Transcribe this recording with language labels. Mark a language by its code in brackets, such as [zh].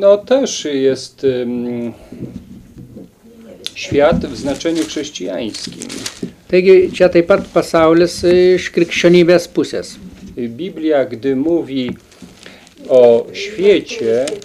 [pl] No też jest świat w znaczeniu chrześcijańskim. [lt] Taigi čia taip pat pasaulis iš krikščionybės pusės. [pl] Biblia, gdy mówi o świecie,